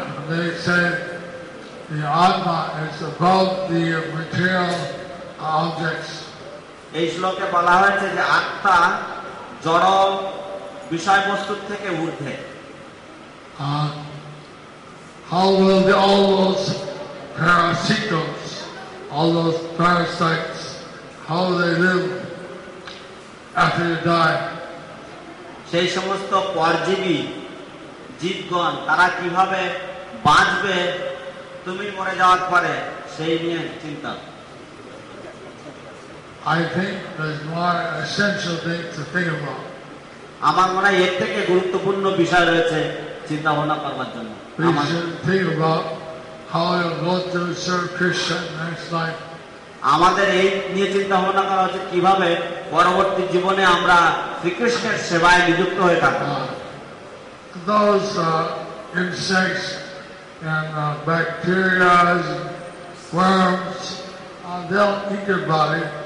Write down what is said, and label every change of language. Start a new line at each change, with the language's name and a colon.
English: They say the Atma is above the material objects.
Bangla: এই শ্লোকে বলা হয়েছে যে আত্মা জড় বিষয়বস্তুর থেকে ঊর্ধ্বে।
English: How will all those parasites, all those parasites, how will they live after they die?
Bangla: সেই সমস্ত পরজীবী জীবগণ তারা কিভাবে বাঁচবে তুমি মরে যাওয়ার পরে, সেই নিয়ে চিন্তা।
English: I think there's more essential thing to think about.
Bangla: আমার মনে হয় এর থেকে গুরুত্বপূর্ণ বিষয় রয়েছে চিন্তা ভাবনা করবার জন্য।
English: We should think about how you go to serve Krishna next life.
Bangla: আমাদের এই নিয়ে চিন্তা ভাবনা করা উচিত কিভাবে পরবর্তী জীবনে আমরা শ্রীকৃষ্ণের সেবায় নিযুক্ত হয়ে থাকবো।
English: Those insects and bacteria, worms, they'll eat your body.